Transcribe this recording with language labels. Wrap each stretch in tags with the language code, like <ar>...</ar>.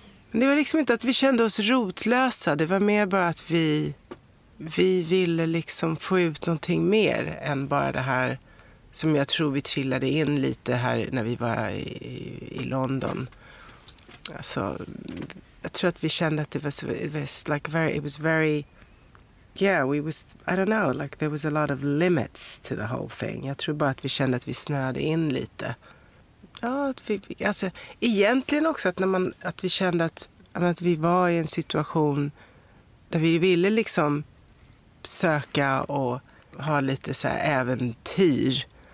<sv>Men det var liksom inte att vi kände oss rotlösa. Det var mer bara att vi ville liksom få ut någonting mer än bara det här som jag tror vi trillade in lite här när vi var i London. Alltså, jag tror att vi kände att</sv> <en>it was very... Yeah, we was, I don't know, like there was a lot of limits to the whole thing.</en> <sv>Jag tror bara att vi kände att vi snöade in lite. Ja, att vi, alltså, egentligen också att, när man, att vi kände att vi var i en situation där vi ville liksom söka och ha lite så här äventyr.</sv>